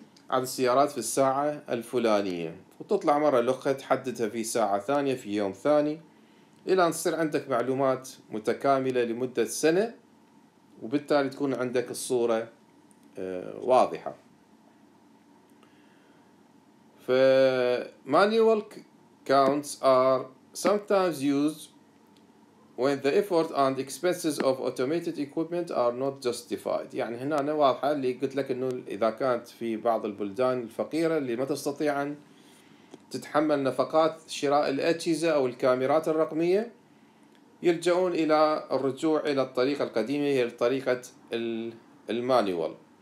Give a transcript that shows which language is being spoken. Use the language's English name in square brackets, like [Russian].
[Arabic] عدد السيارات في الساعة الفلانية، وتطلع مرة لخة تحددها في ساعة ثانية في يوم ثاني إلى أن تصير عندك معلومات متكاملة لمدة سنة، وبالتالي تكون عندك الصورة واضحة. [English] فmanual counts are sometimes used when the effort and expenses of automated equipment are not justified. [Arabic] يعني هنا أنا واضحة اللي قلت لك إنه إذا كانت في بعض البلدان الفقيرة اللي ما تستطيع أن تتحمل نفقات شراء الأجهزة أو الكاميرات الرقمية، يلجؤون إلى الرجوع إلى الطريقة القديمة، هي طريقة المانيوال.